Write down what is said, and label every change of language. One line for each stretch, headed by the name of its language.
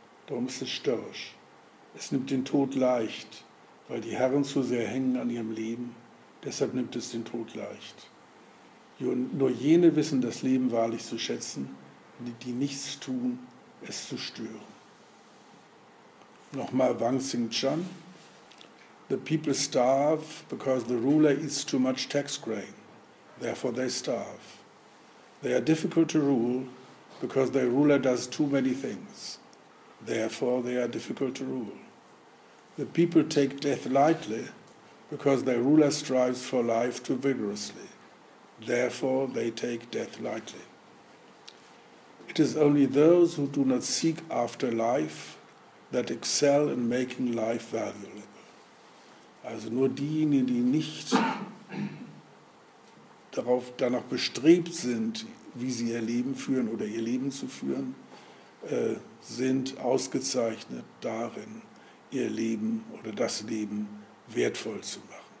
German: Darum ist es störrisch. Es nimmt den Tod leicht, weil die Herren zu sehr hängen an ihrem Leben. Deshalb nimmt es den Tod leicht. Nur jene wissen, das Leben wahrlich zu schätzen, die nichts tun, es zu stören. Nochmal Wang Xingchan.
English: The people starve because the ruler eats too much tax grain. Therefore they starve. They are difficult to rule because their ruler does too many things. Therefore they are difficult to rule. The people take death lightly because their ruler strives for life too vigorously. Therefore, they take death lightly. It is only those who do not seek after life that excel in making life valuable.
German: Also nur diejenigen, die nicht danach bestrebt sind, wie sie ihr Leben führen oder ihr Leben zu führen, sind ausgezeichnet darin, ihr Leben oder das Leben wertvoll zu machen.